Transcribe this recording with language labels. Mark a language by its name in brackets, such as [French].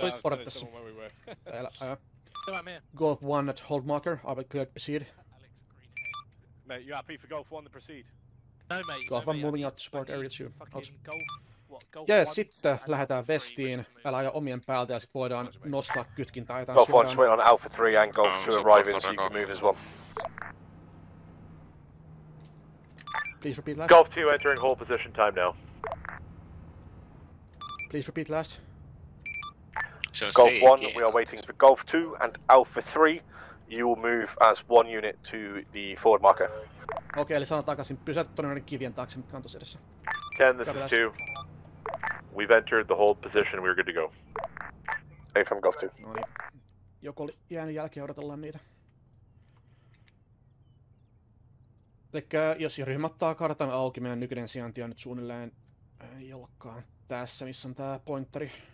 [English] Please spot it. This one where we were. Golf 1 at hold marker. Are we clear to proceed? Mate, you happy for Golf 1 to proceed? No, mate. Golf 1 no, moving out to support area 2. [Finnish] Yeah, sitten lähdetään vestiin. Älä aja omien päältä ja sit voidaan nostaa kytkintä. [English] Golf 1 is waiting on Alpha 3 and Golf 2 arriving, so you can move as well. Please repeat last. Golf 2 entering hold position time now. Please repeat last. So Golf 1, we are waiting for Golf 2 and Alpha 3. You will move as one unit to the forward marker. Okay, [Finnish] eli sanon takaisin. Pysäät todennäköisesti kivien taakse, mitkä on tuossa edessä. [English] Ken, this is 2. We've entered the hold position, we're good to go. AFM Golf 2. [Finnish] No niin. Joku oli jäänyt jälkeen, odotellaan niitä. Elikkä jos ryhmä ottaa kartan auki, meidän nykyinen sijainti on nyt suunnilleen jollakaan tässä, missä on tää pointeri.